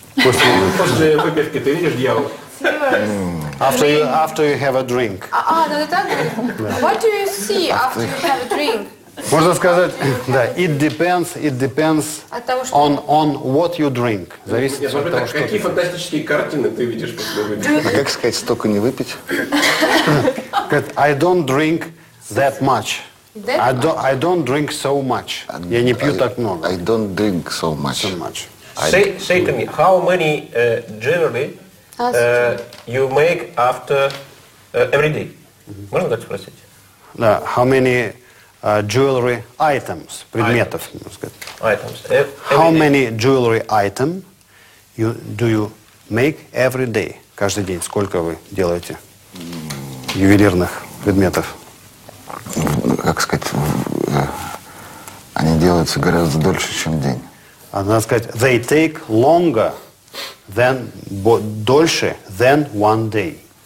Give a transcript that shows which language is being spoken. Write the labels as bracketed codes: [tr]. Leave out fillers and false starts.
[ru] После выпивки ты видишь дьявол? [en] After you have a drink. What do you see after you have a drink? [ru] Можно сказать, да, [en] it depends on what you drink. [ru] Зависит от того, что... Какие фантастические картины ты видишь, когда выпьешь? А как сказать, столько не выпить? [en] I don't drink that much. I don't drink so much. [ru] Я не пью так много. [en] I don't drink so much. So much. Say to me, how many generally... you make after every day. Mm-hmm. [ru] Можно так спросить? Да. [en] How many jewelry items, [ru] предметов, можно сказать. [en] Items. How many jewelry item you do you make every day? [ru] Каждый день. Сколько вы делаете ювелирных предметов? Как сказать, они делаются гораздо дольше, чем день. А надо сказать, [en] they take longer. Then, дольше than one day.